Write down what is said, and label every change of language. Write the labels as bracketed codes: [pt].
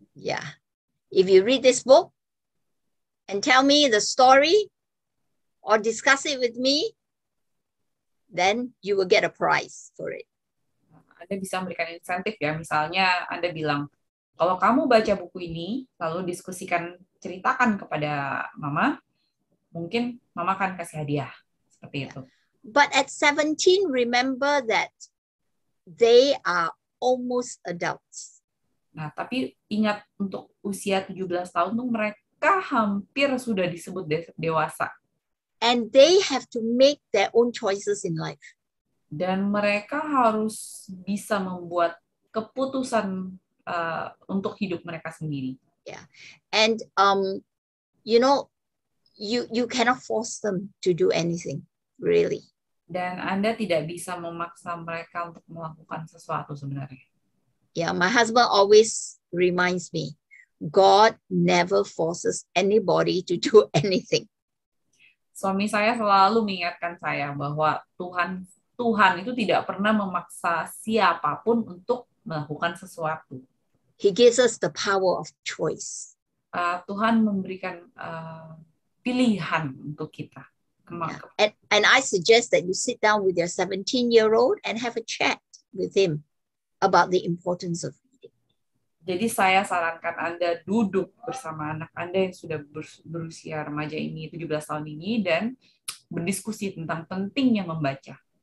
[en] Yeah, if you read this book and tell me the story or discuss it with me, then you will get a prize for it. [id] Anda bisa memberikan insentif ya, misalnya Anda bilang, kalau kamu baca buku ini, lalu diskusikan, ceritakan kepada mama, mungkin mama akan kasih hadiah. Seperti itu. [en] But at 17, remember that they are almost adults. [id] Nah, tapi ingat untuk usia 17 tahun itu mereka hampir sudah disebut dewasa. [en] And they have to make their own choices in life. [id] Dan mereka harus bisa membuat keputusan untuk hidup mereka sendiri. [en] Yeah. And you know you cannot force them to do anything, really. [id] Dan Anda tidak bisa memaksa mereka untuk melakukan sesuatu sebenarnya. [en] Yeah, my husband always reminds me, God never forces anybody to do anything. [id] Suami saya selalu mengingatkan saya bahwa Tuhan itu tidak pernah memaksa siapapun untuk melakukan sesuatu. [en] He gives us the power of choice. [id] Tuhan memberikan pilihan untuk kita. [en] And I suggest that you sit down with your 17-year-old and have a chat with him about the importance of reading. [id] Jadi saya sarankan Anda duduk bersama anak Anda yang sudah berusia remaja ini, 17 tahun ini, dan berdiskusi tentang pentingnya membaca.